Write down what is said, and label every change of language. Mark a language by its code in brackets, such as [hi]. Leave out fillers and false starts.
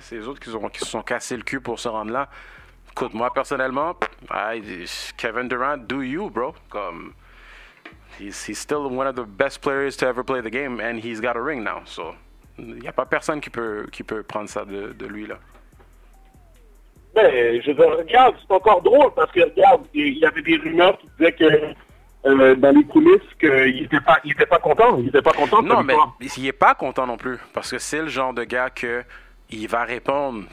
[fr] C'est les autres qui se sont cassés le cul pour se rendre là. Écoute, moi, personnellement, Kevin Durant, [en] do you, bro. Comme, he's still one of the best players to ever play the game, and he's got a ring now. [fr] So, il n'y a pas personne qui peut prendre ça de lui, là. Mais regarde, c'est encore drôle parce que regarde, il y avait des rumeurs qui disaient que dans les coulisses, qu'il n'était pas content. Non, mais il n'est pas content non plus parce que c'est le genre de gars que il va répondre.